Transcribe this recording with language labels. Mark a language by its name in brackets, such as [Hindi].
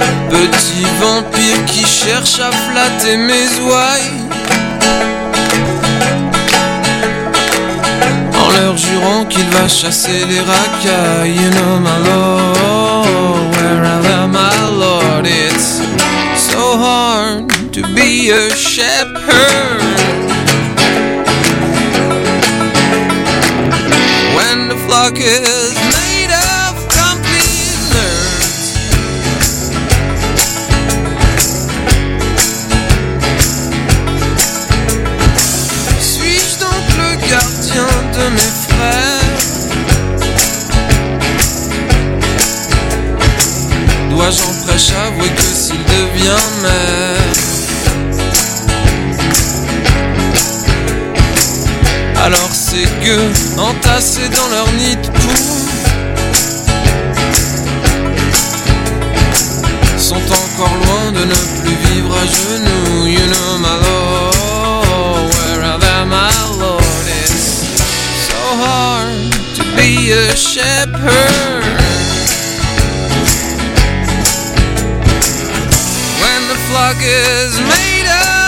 [French] Petit vampire qui cherche à flatter mes ouailles, en leur jurant qu'il va chasser les racailles. [English] You know my lord, wherever my lord. It's so hard to be a shepherd when the flock is made of complete nerds. [French] Suis-je donc le gardien de mes frères? Dois-je en prêche avouer que s'il devient maire, alors ces gueux entassés dans leur nid de poule sont encore loin de ne plus vivre à genoux. [English] You know my lord, wherever my lord is. So hard to be a shepherd when the flock is made up.